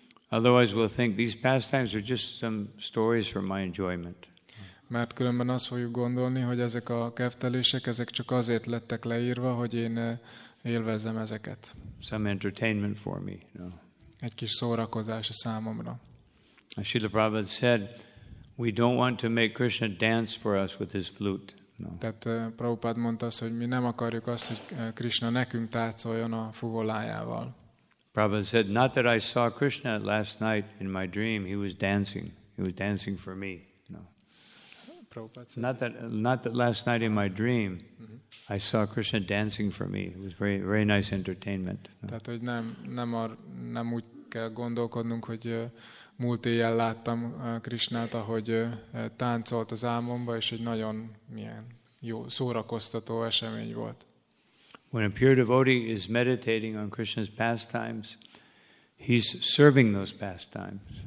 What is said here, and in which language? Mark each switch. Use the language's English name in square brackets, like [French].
[English] Otherwise we'll think these pastimes are just some stories for my enjoyment. [Hungarian] Mert különben azt fogjuk gondolni, hogy ezek a keftelések, ezek csak azért lettek leírva, hogy én élvezzem ezeket. [English] Some entertainment for me. No. [Hungarian] Egy kis szórakozás a számomra. [English] Srila Prabhupada said, we don't want to make Krishna dance for us with his flute. No. [Hungarian] Tehát Prabhupád mondta azt, hogy mi nem akarjuk azt, hogy Krishna nekünk táncoljon a fuvolájával. [English] Prabhupád said, not that I saw Krishna last night in my dream, he was dancing. He was dancing for me. No. Not that last night in my dream, I saw Krishna dancing for me. It was very, very nice entertainment. No. [Hungarian] Tehát, hogy nem úgy kell gondolkodnunk, hogy múlt éjjel láttam Krishnát, ahogy táncolt az álmomba, és egy nagyon milyen jó szórakoztató esemény volt. [English] When a pure devotee is meditating on Krishna's pastimes, he's serving those pastimes.